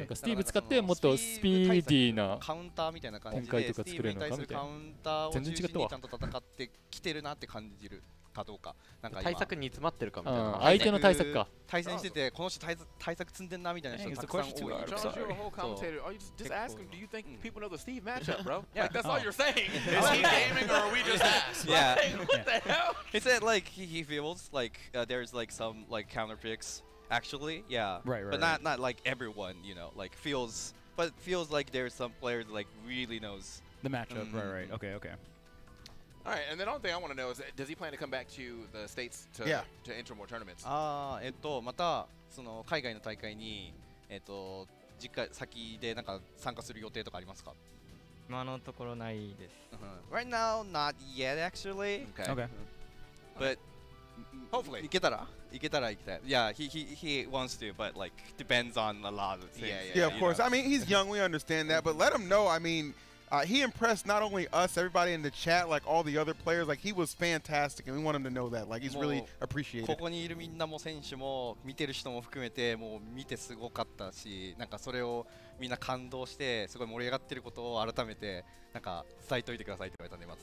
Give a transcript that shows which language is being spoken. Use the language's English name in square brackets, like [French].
[Japanese] なんかスティーブ使ってもっとスピーディーな展開とか作れるのかみたいな。全然違ったわ。全然違ったわ。ちゃんと戦ってきてるなって感じる。かどうか、なんか対策に詰まってるかみたいな、相手の対策か、対戦しててこの人対策積んでんなみたいな人たくさん多い。 [English] So your whole commentator, are you just asking, do you think people know the Steve matchup, bro? Yeah, that's all you're saying. Is he gaming or are we just ass? Yeah. What the hell? He said like he feels like there's like some like counter picks actually, yeah. Right, right. But not like everyone, you know, like feels, but feels like there's some players like really knows the matchup. Right, right. Okay, okay. All right, and then the only thing I want to know is, does he plan to come back to the States to, yeah. to enter more tournaments? [Japanese] またその海外の大会に次回先でなんか参加する予定とかありますか？今のところないです。 [English] Right now, not yet, actually. Okay. Okay. But hopefully, [Japanese] 行けたら行きたい。 [English] Yeah, he wants to, but like depends on a lot of things. Yeah, yeah, yeah of course. I mean, he's young. We understand that, but let him know. I mean. He impressed not only us, everybody in the chat, like all the other players. Like, he was fantastic, and we want him to know that. Like, he's really appreciated. [Japanese] ここにいるみんなも選手も見てる人も含めてもう見てすごかったし、なんかそれをみんな感動してすごい盛り上がってることを改めてなんか伝えといてくださいって言われたんで、松